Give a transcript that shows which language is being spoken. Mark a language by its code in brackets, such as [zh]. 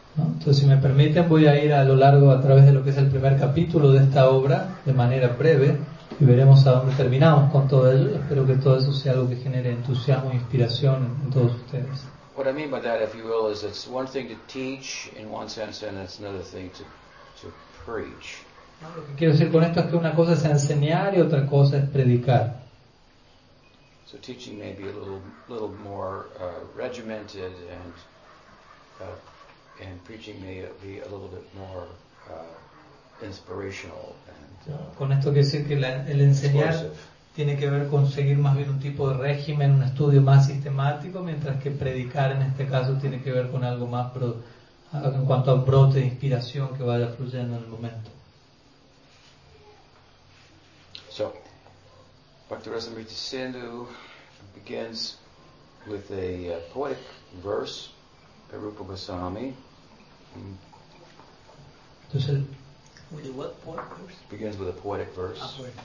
[es] Entonces, si me permiten, voy a ir a lo largo a través de lo que es el primer capítulo de esta obra de manera breve y veremos a dónde terminamos con todo ello. Espero que todo eso sea algo que genere entusiasmo e inspiración en todos ustedes. [en] What I mean by that, if you will, is it's one thing to teach in one sense and it's another thing to preach. [es] Lo que quiero decir con esto es que una cosa es enseñar y otra cosa es predicar. [en] So teaching may be a little more regimented, and preaching may be a little bit more inspirational and [es] con esto quiero decir que el enseñar [en] explosive. [es] Tiene que ver con seguir más bien un tipo de régimen, un estudio más sistemático, mientras que predicar en este caso tiene que ver con algo más en cuanto a un brote de inspiración que vaya fluyendo en el momento. [en] So Bhakti-rasamrita-sindhu begins with a poetic verse by Rupa Goswami. With a what poetic verse? Begins with a poetic verse.